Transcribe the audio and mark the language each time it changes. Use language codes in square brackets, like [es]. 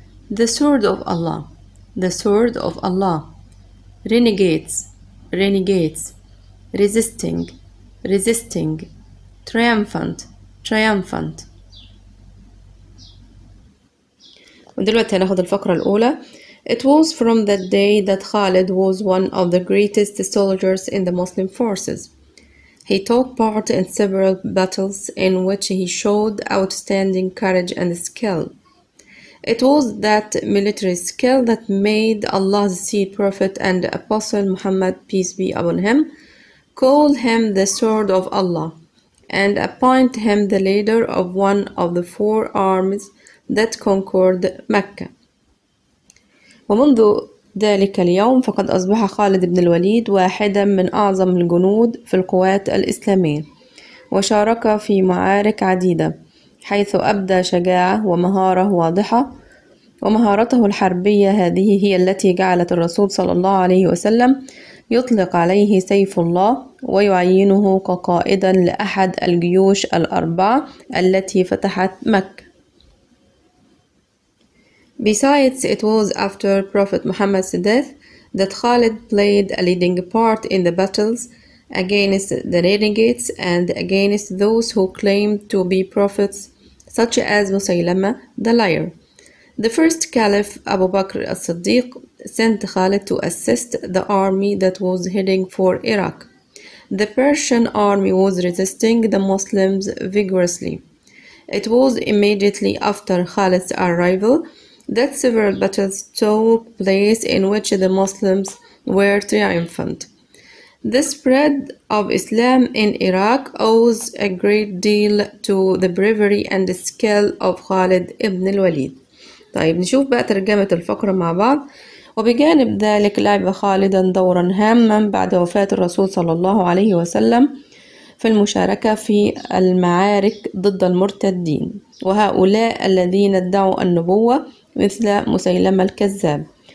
[en] The sword of Allah, the sword of Allah. Renegades, renegades. Resisting, resisting. Triumphant, triumphant. [ar] ودلوقتي هناخد الفقرة الأولى. [en] It was from that day that Khalid was one of the greatest soldiers in the Muslim forces. He took part in several battles in which he showed outstanding courage and skill. It was that military skill that made Allah's seed prophet and apostle Muhammad, peace be upon him, call him the sword of Allah and appoint him the leader of one of the four armies that conquered Mecca. [ar] ومنذ ذلك اليوم فقد أصبح خالد بن الوليد واحدا من أعظم الجنود في القوات الإسلامية، وشارك في معارك عديدة حيث أبدى شجاعة ومهارة واضحة، ومهارته الحربية هذه هي التي جعلت الرسول صلى الله عليه وسلم يطلق عليه سيف الله ويعينه كقائدا لأحد الجيوش الأربعة التي فتحت مكة. [en] Besides, it was after Prophet Muhammad's death that Khalid played a leading part in the battles against the renegades and against those who claimed to be prophets, such as Musaylama the liar. The first caliph, Abu Bakr as-Siddiq, sent Khalid to assist the army that was heading for Iraq. The Persian army was resisting the Muslims vigorously. It was immediately after Khalid's arrival that several battles took place in which the Muslims were triumphant. The spread of Islam in Iraq owes a great deal to the bravery and the skill of Khalid ibn al-Walid. [ar] طيب نشوف بقى ترجمة الفقرة مع بعض. وبجانب ذلك لعب خالدا دورا هاما بعد وفاة الرسول صلى الله عليه وسلم في المشاركة في المعارك ضد المرتدين، وهؤلاء الذين ادعوا النبوة مثل مسيلمة الكذاب.